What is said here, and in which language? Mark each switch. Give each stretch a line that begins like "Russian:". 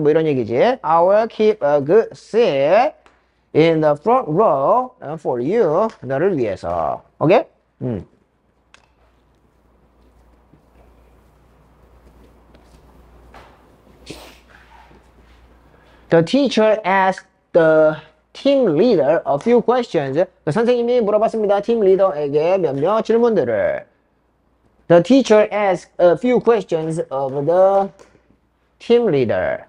Korean: 뭐 이런 얘기지.
English: I will keep a good seat in the front row for you.
Korean: 너를 위해서. 오케이?
English: The teacher asked the team leader a few questions.
Korean: 그 선생님이 물어봤습니다. 팀 리더에게 몇몇 질문들을.
English: The teacher asked a few questions of the team leader.